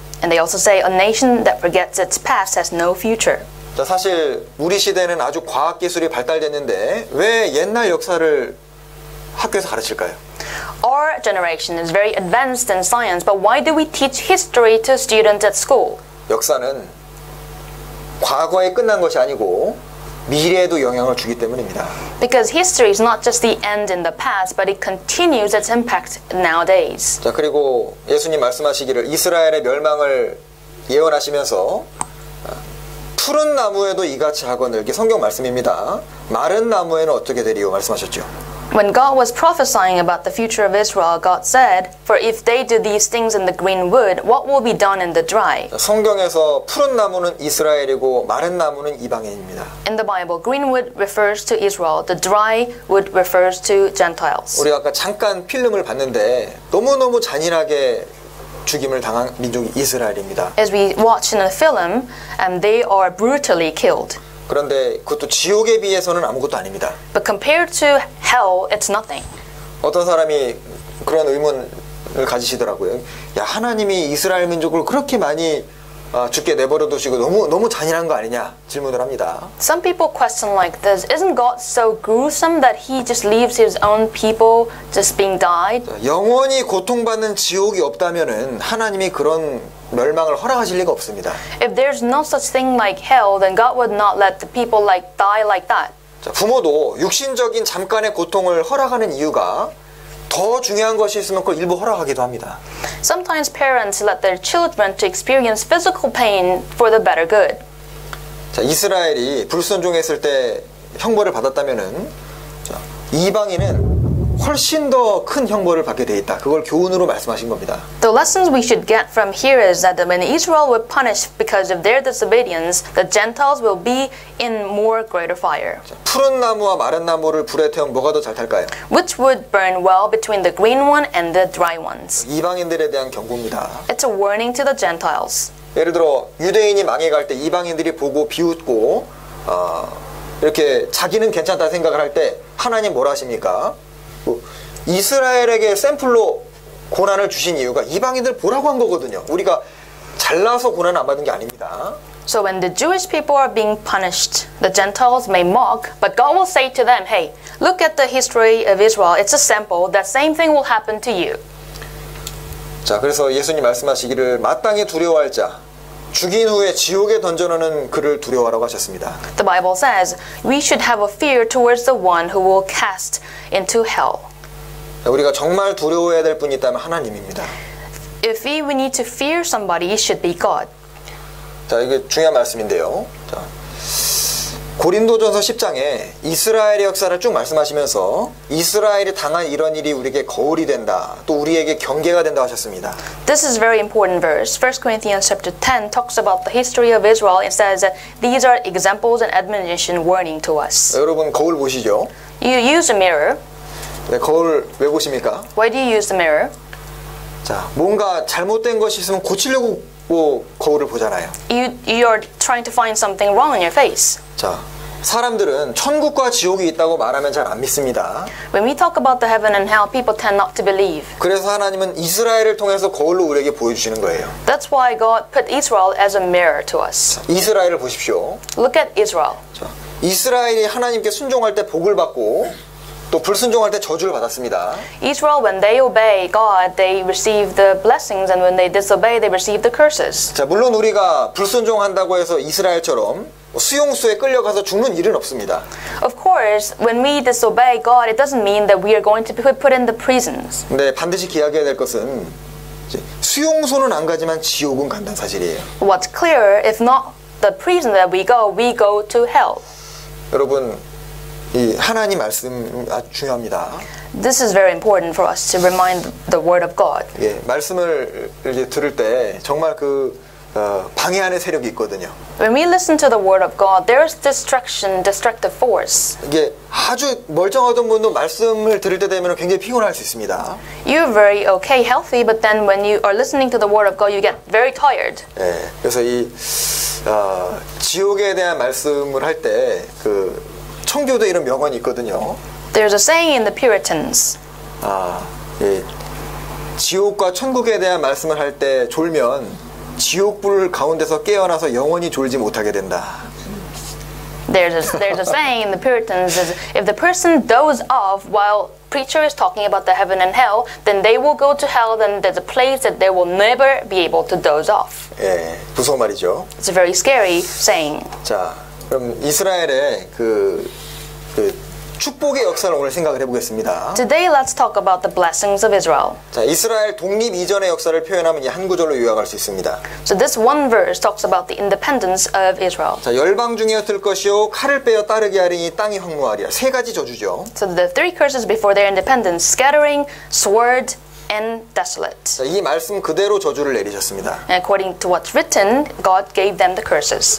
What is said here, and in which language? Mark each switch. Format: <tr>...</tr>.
<en>And they also say a nation that forgets its past has no future.</en> <ko>자, 사실 우리 시대는 아주 과학 기술이 발달됐는데 왜 옛날 역사를 학교에서 가르칠까요?</ko> <en>Our generation is very advanced in science, but why do we teach history to students at school?</en> <ko>역사는 과거에 끝난 것이 아니고 미래에도 영향을 주기 때문입니다.</ko> <en>Because history is not just the end in the past, but it continues its impact nowadays.</en> <ko>자, 그리고 예수님 말씀하시기를 이스라엘의 멸망을 예언하시면서 푸른 나무에도 이같이 하거늘, 이게 성경 말씀입니다. 마른 나무에는 어떻게 되리요 말씀하셨죠.</ko> <en>When God was prophesying about the future of Israel, God said, "For if they do these things in the green wood, what will be done in the dry?"</en> <ko>성경에서 푸른 나무는 이스라엘이고 마른 나무는 이방인입니다.</ko> <en>In the Bible, green wood refers to Israel. The dry wood refers to Gentiles.</en> <ko>우리 아까 잠깐 필름을 봤는데 너무너무 잔인하게 죽임을 당한 민족이 이스라엘입니다.</ko> <en>As we watch in the film, they are brutally killed.</en> <ko>그런데 그것도 지옥에 비해서는 아무것도 아닙니다.</ko> <en>But compared to hell, it's nothing.</en> <ko>어떤 사람이 그런 의문을 가지시더라고요. 야, 하나님이 이스라엘 민족을 그렇게 많이 죽게 내버려 두시고 너무 잔인한 거 아니냐 질문을 합니다.</ko> <en>Some people question like this. Isn't God so gruesome that he just leaves his own people just being died?</en> <ko>영원히 고통받는 지옥이 없다면은 하나님이 그런 멸망을 허락하실 리가 없습니다.</ko> <en>If there's no such thing like hell, then God would not let the people like die like that.</en> <ko>자, 부모도 육신적인 잠깐의 고통을 허락하는 이유가 더 중요한 것이 있으면 그걸 일부 허락하기도 합니다.</ko> <en>Sometimes parents let their children to experience physical pain for the better good.</en> <ko>자, 이스라엘이 불순종했을 때 형벌을 받았다면은 이방인은 훨씬 더 큰 형벌을 받게 돼 있다. 그걸 교훈으로 말씀하신 겁니다.</ko> <en>The lessons we should get from here is that when Israel were punished because of their disobedience, the Gentiles will be in more greater fire.</en> <ko>푸른 나무와 마른 나무를 불에 태우면 뭐가 더 잘 탈까요?</ko> <en>Which would burn well between the green one and the dry ones?</en> <ko>이방인들에 대한 경고입니다.</ko> <en>It's a warning to the Gentiles.</en> <ko>예를 들어 유대인이 망해갈 때 이방인들이 보고 비웃고 이렇게 자기는 괜찮다 생각을 할 때 하나님 뭐라 하십니까? 이스라엘에게 샘플로 고난을 주신 이유가 이방인들 보라고 한 거거든요. 우리가 잘나서 고난 안 받은 게 아닙니다.</ko> <en>So when the Jewish people are being punished, the Gentiles may mock, but God will say to them, "Hey, look at the history of Israel. It's a sample. That same thing will happen to you."</en> <ko>자, 그래서 예수님 말씀하시기를 마땅히 두려워할 자 죽인 후에 지옥에 던져놓는 그를 두려워하라고 하셨습니다.</ko> <en>The Bible says we should have a fear towards the one who will cast into hell.</en> <ko>우리가 정말 두려워해야 될 분이 있다면 하나님입니다.</ko> <en>If we need to fear somebody, it should be God.</en> <ko>자, 이게 중요한 말씀인데요. 자, 고린도전서 10장에 이스라엘의 역사를 쭉 말씀하시면서 이스라엘이 당한 이런 일이 우리에게 거울이 된다. 또 우리에게 경계가 된다 하셨습니다.</ko> <en>This is a very important verse. 1 Corinthians chapter 10 talks about the history of Israel and says that these are examples and admonition warning to us.</en> <ko>여러분 거울 보시죠.</ko> <en>You use a mirror.</en> <ko>네, 거울 왜 보십니까?</ko> <en>Why do you use the mirror?</en> <ko>자, 뭔가 잘못된 것이 있으면 고치려고 뭐 거울을 보잖아요.</ko> <en>You're trying to find something wrong in your face.</en> <ko>자, 사람들은 천국과 지옥이 있다고 말하면 잘 안 믿습니다.</ko> <en>When we talk about the heaven and hell, people tend not to believe.</en> <ko>그래서 하나님은 이스라엘을 통해서 거울로 우리에게 보여주시는 거예요.</ko> <en>That's why God put Israel as a mirror to us. 자,</en> <ko>이스라엘을 보십시오.</ko> <en>Look at Israel.</en> <ko>자, 이스라엘이 하나님께 순종할 때 복을 받고 또 불순종할 때 저주를 받았습니다.</ko> <en>Israel, when they obey God, they receive the blessings, and when they disobey, they receive the curses.</en> <ko>자, 물론 우리가 불순종한다고 해서 이스라엘처럼 수용소에 끌려가서 죽는 일은 없습니다.</ko> <en>Of course, when we disobey God, it doesn't mean that we are going to be put in the prisons.</en> <ko>네, 반드시 기억해야 될 것은 수용소는 안 가지만 지옥은 간다는 사실이에요.</ko> <en>What's clear, if not the prison that we go to hell.</en> <ko>여러분, 이 하나님 말씀 아주 중요합니다.</ko> <en>This is very important for us to remind the word of God.</en> <ko>예, 말씀을 이제 들을 때 정말 그 방해하는 세력이 있거든요.</ko> <en>When we listen to the word of God, there is distraction, destructive force.</en> <ko>이게 아주 멀쩡하던 분도 말씀을 들을 때 되면 굉장히 피곤할 수 있습니다.</ko> <en>You're very okay, healthy, but then when you are listening to the word of God, you get very tired.</en> <ko>예, 그래서 이 지옥에 대한 말씀을 할 때 그 청교도 이런 명언이 있거든요.</ko> <en>There's a saying in the Puritans. 아, 예.</en> <ko>지옥과 천국에 대한 말씀을 할 때 졸면 지옥불 가운데서 깨어나서 영원히 졸지 못하게 된다.</ko> <en>There's a saying in the Puritans is if the person dozes off while preacher is talking about the heaven and hell, then they will go to hell. Then there's a place that they will never be able to doze off.</en> <ko>예, 무서운 말이죠.</ko> <en>It's a very scary saying. 자.</en> <ko>그럼 이스라엘의 그 축복의 역사를 오늘 생각을 해보겠습니다.</ko> <en>Today let's talk about the blessings of Israel.</en> <ko>자, 이스라엘 독립 이전의 역사를 표현하면 이 한 구절로 요약할 수 있습니다.</ko> <en>So this one verse talks about the independence of Israel.</en> <ko>자, 열방 중에 흩을 것이요 칼을 빼어 따르게 하리니 땅이 황무하리라. 세 가지 저주죠.</ko> <en>So the three curses before their independence: scattering, sword, and desolate.</en> <ko>자, 이 말씀 그대로 저주를 내리셨습니다.</ko> <en>According to what's written, God gave them the curses.</en>